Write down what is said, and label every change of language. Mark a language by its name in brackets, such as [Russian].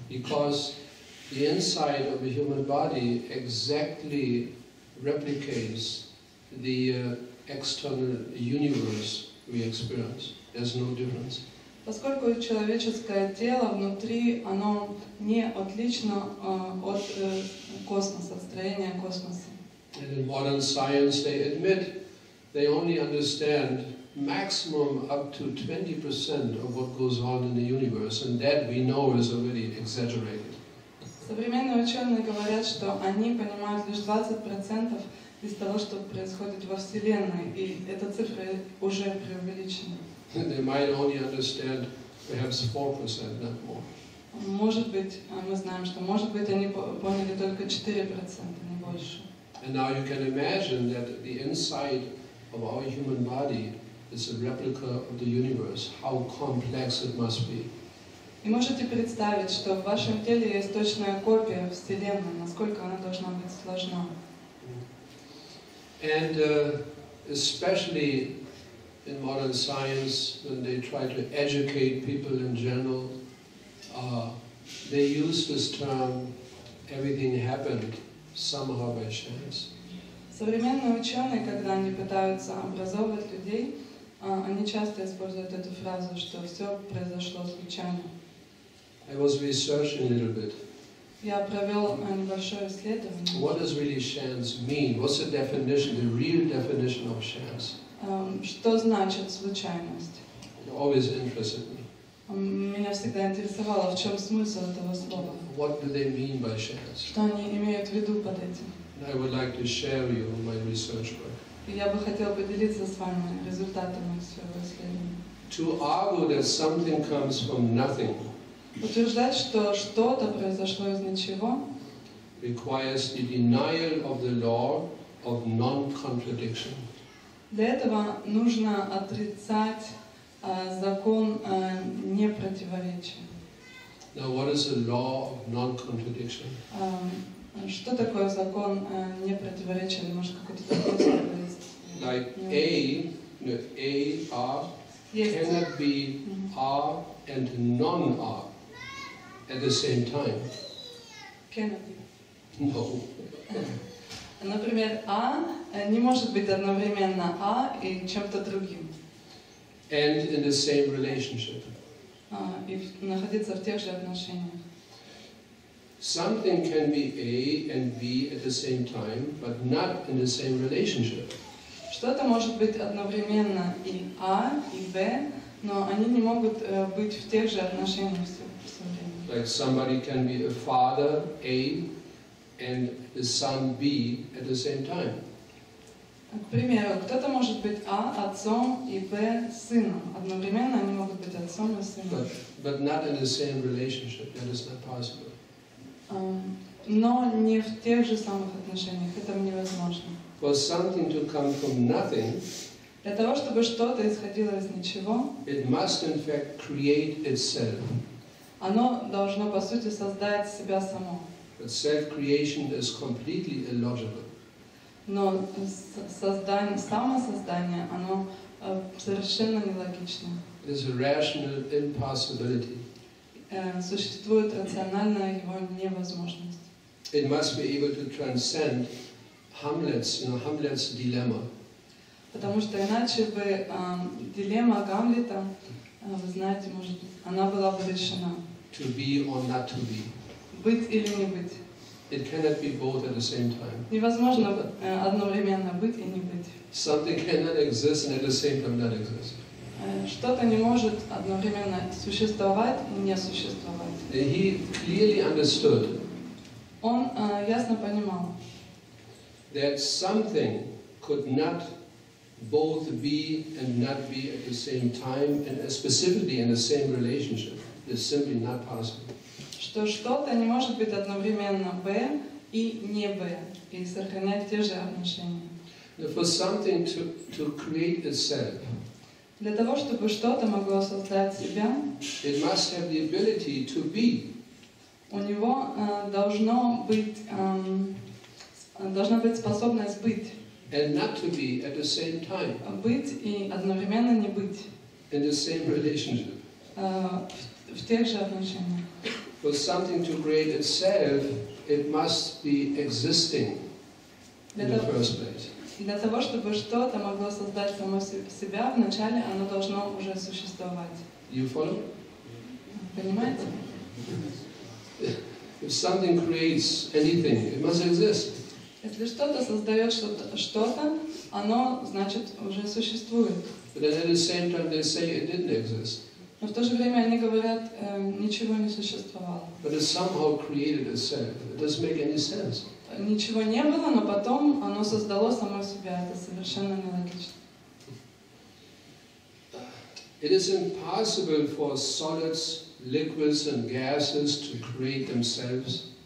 [English] Because the inside of a human body exactly replicates the external universe we experience. There's no difference. [Russian] Поскольку человеческое тело внутри, оно не отлично от космоса, от строения космоса. [English] And in modern science, they admit they only understand maximum up to 20% of what goes on in the universe, and that we know is already exaggerated. [Russian] Современные ученые говорят, что они понимают лишь 20% из того, что происходит во Вселенной, и эта цифра уже преувеличена. [English] They might only understand perhaps 4%, not more. [Russian] Может быть, мы знаем, что может быть они поняли только 4%, не больше. [English] And now you can imagine that the inside of our human body is a replica of the universe. How complex it must be. [Russian] И можете представить, что в вашем теле есть точная копия Вселенной, насколько она должна быть сложна. [English] And especially in modern science, when they try to educate people in general, they use this term "everything happened somehow by chance". [Russian] Современные ученые, когда они пытаются образовывать людей, они часто используют эту фразу, что все произошло случайно. [English] I was researching a little bit. [Russian] Я провел небольшое исследование. [English] What does really chance mean? What's the definition, the real definition of chance? [Russian] Что значит случайность? [English] It always interested me. [Russian] Меня всегда интересовало, в чем смысл этого слова. [English] What do they mean by chance? [Russian] Что они имеют в виду под этим? [English] I would like to share with you my research work. [Russian] Я бы хотел поделиться с вами результатами своего исследования. [English] To argue that something comes from nothing. [Russian] Утверждать, что что-то произошло из ничего, [English] requires the denial of the law of non-contradiction. [Russian] Для этого нужно отрицать закон непротиворечия. [English] Now, what is the law of non-contradiction? [Russian] Что такое закон непротиворечия? Может, какой-то закон есть? [English] Like A, R, [Russian] есть. [English] Cannot be R and non-R. At the same time. Cannot be. No. [Russian] Например, A не может быть одновременно A и чем-то другим. [English] And in the same relationship. [Russian] И находиться в тех же отношениях. [English] something can be A and B at the same time, but not in the same relationship. [Russian] Что-то может быть одновременно и А, и Б, но они не могут быть в тех же отношениях все время. [English] Like somebody can be a father A and the son B at the same time. [Russian] К примеру, кто-то может быть А отцом и Б сыном. Одновременно они могут быть отцом и сыном. [English] But not in the same relationship. That is not possible. [Russian] Но не в тех же самых отношениях. Это невозможно. [English] For something to come from nothing, [Russian] для того, чтобы что-то исходило из ничего, [English] it must in fact create itself. [Russian] Оно должно, по сути, создать себя само. [English] But self-creation is completely illogical. [Russian] Но создание, самосоздание, оно совершенно нелогично. [English] It is a rational impossibility. [Russian] Существует рациональная его невозможность. [English] It must be able to transcend Hamlet's, you know, Hamlet's dilemma. [Russian] Потому что иначе бы дилемма Гамлета, вы знаете, может, она была бы решена. [English] To be or not to be. [Russian] Быть или не быть. [English] It cannot be both at the same time. [Russian] Невозможно одновременно быть и не быть. [English] Something cannot exist and at the same time not exist. [Russian] Что-то не может одновременно существовать и не существовать. [English] He clearly understood. [Russian] Он ясно понимал. [English] That something could not both be and not be at the same time and specifically in the same relationship is simply not possible. [Russian] Что что-то не может быть одновременно Б и не Б, и сохранять те же отношения. [English] For something to create itself, [Russian] для того, чтобы что-то могло создать себя, [English] it must have the ability to be. [Russian] У него должна быть способность быть. [English] And not to be at the same time. [Russian] Быть и одновременно не быть. [English] In the same relationship. [Russian] В тех же отношениях. [English] For something to create itself, it must be existing in the first place. [Russian] Для того, чтобы что-то могло создать само себя, вначале оно должно уже существовать. [English] You follow? [Russian] Понимаете? [English] If something creates anything, it must exist. [Russian] Если что-то создает что-то, оно, значит, уже существует. [English] But at the same time, they say it didn't exist. [Russian] Но в то же время они говорят, ничего не существовало. [English] But it somehow created itself. It doesn't make any sense. [Russian] Ничего не было, но потом оно создало само себя. Это совершенно нелогично. [English] It is impossible for solids, liquids and gases to create themselves.